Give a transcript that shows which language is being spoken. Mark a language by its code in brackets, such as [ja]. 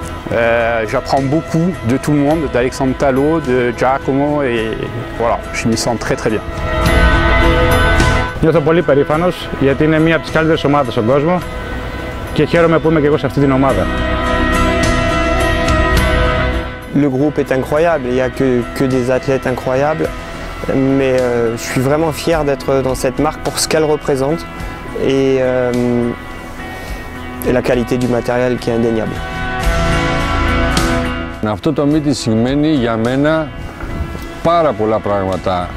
[fr] J'apprends beaucoup de tout le monde, d'Alexandre Talot, de Giacomo, et voilà, je m'y sens très très bien. Je suis très [el] περήφανος, γιατί είναι μία από τις καλύτερες ομάδες στον κόσμο και χαίρομαι που είμαι και εγώ σε αυτή την ομάδα. [fr] Le groupe est incroyable, il n'y a que des athlètes incroyables, mais je suis vraiment fier d'être dans cette marque pour ce qu'elle représente et la qualité du matériel qui est indéniable. [el] Αυτό το μύτη σημαίνει για μένα πάρα πολλά πράγματα.